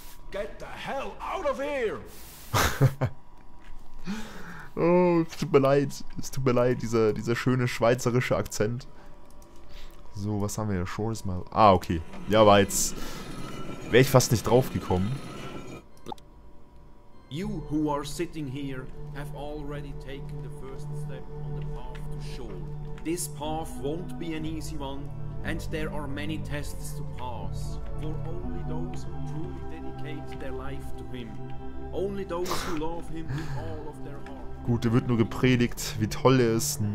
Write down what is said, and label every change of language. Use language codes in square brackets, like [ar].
[en] Get the hell out of here! [de] Oh, tut mir leid. Es tut mir leid, dieser schöne schweizerische Akzent. So, was haben wir hier? [en] Shore is my... [de] Ah, okay. Ja, aber jetzt wäre ich fast nicht drauf gekommen. [en] You who are sitting here have already taken the first step on the path to shore. This path won't be an easy one, and there are many tests to pass. For only those who truly dedicate their life to him. Only those who love him with all of their heart. [de] Gut, er wird nur gepredigt, wie toll er ist.